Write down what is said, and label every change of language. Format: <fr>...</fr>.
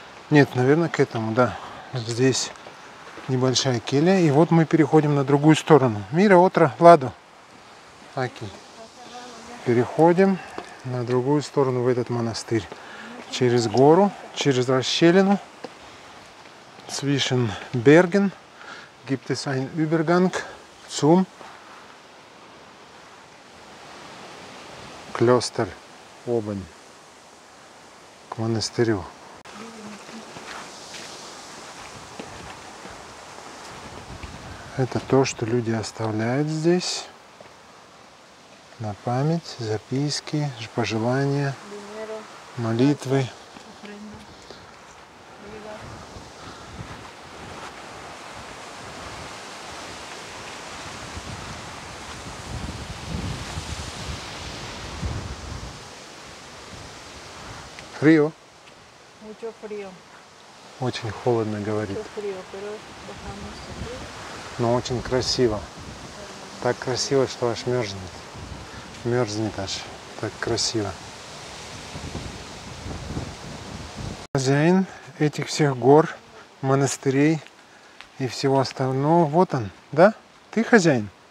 <ru>Нет, наверное, к этому, да. Здесь небольшая келья. И вот мы переходим на другую сторону. Мира, отра, ладу. Окей. Переходим на другую сторону, в этот монастырь. Через гору, через расщелину.</ru> <de>Zwischen Bergen gibt es einen Übergang zum Kloster oben.</de> <ru>К монастырю. Это то, что люди оставляют здесь. На память, записки, пожелания. Молитвы.</ru> <es>Фрио? Mucho frío.</es> <ru>Очень холодно, говорит.</ru> <es>Mucho frío, pero bajamos aquí.</es> <ru>Но очень красиво. Так красиво, что аж мерзнет. Мерзнет аж. Так красиво. Хозяин этих всех гор, монастырей и всего остального, вот он, да? Ты хозяин?</ru>